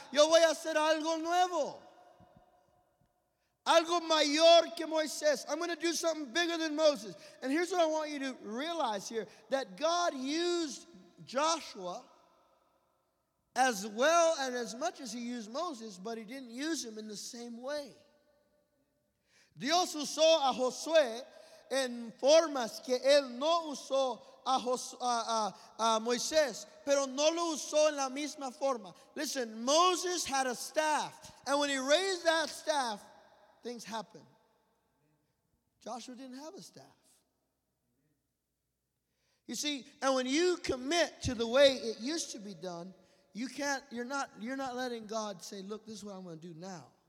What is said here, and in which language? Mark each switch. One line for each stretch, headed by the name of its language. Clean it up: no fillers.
Spanish: Yo voy a hacer algo nuevo. Algo mayor que Moisés.
English: I'm going to do something bigger than Moses. And here's what I want you to realize here, that God used Joshua as well and as much as he used Moses, but he didn't use him in the same way.
Spanish: Dios usó a Josué en formas que él no usó a Moisés, pero no lo usó en la misma forma.
English: Listen, Moses had a staff, and when he raised that staff, things happen. Joshua didn't have a staff. You see, and when you commit to the way it used to be done, you're not letting God say, look, this is what I'm going to do now.